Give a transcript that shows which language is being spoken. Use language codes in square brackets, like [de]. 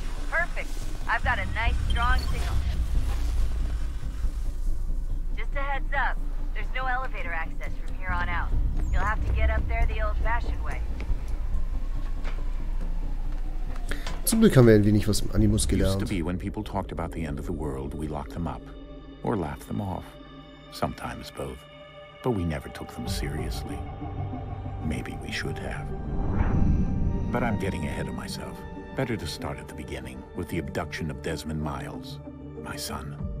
[en] Perfect. I've got a nice strong signal. Just a heads up, there's no elevator access from here on out. You'll have to get up there the old-fashioned way. [de] Zum Glück haben wir ein wenig was im Animus gelernt. [en] Used to be when people talked about the end of the world, we locked them up or laughed them off. Sometimes both, but we never took them seriously. Maybe we should have. But I'm getting ahead of myself. Better to start at the beginning with the abduction of Desmond Miles, my son.